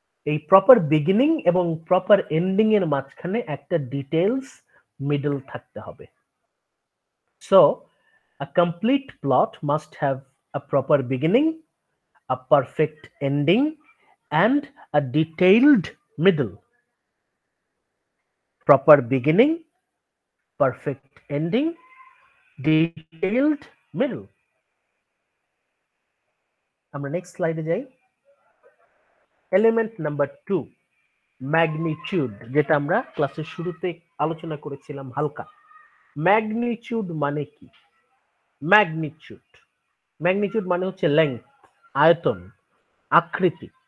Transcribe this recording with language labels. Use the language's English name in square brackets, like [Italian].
[Bangla] এই proper beginning এবং proper ending এর মাঝখানে একটা ডিটেইলস মিডল থাকতে হবে। [English] So a complete plot must have a proper beginning, a perfect ending, and a detailed middle. Proper beginning, perfect ending, detailed middle. [Bangla] আমরা next স্লাইডে যাই। এলিমেন্ট নাম্বার টু, ম্যাগনিচিউড, যেটা আমরা ক্লাসের শুরুতে আলোচনা করেছিলাম হালকা। ম্যাগনিচিউড মানে কি? ম্যাগনিচিউড, ম্যাগনিচিউড মানে হচ্ছে লেংথ, আয়তন, আকৃতি।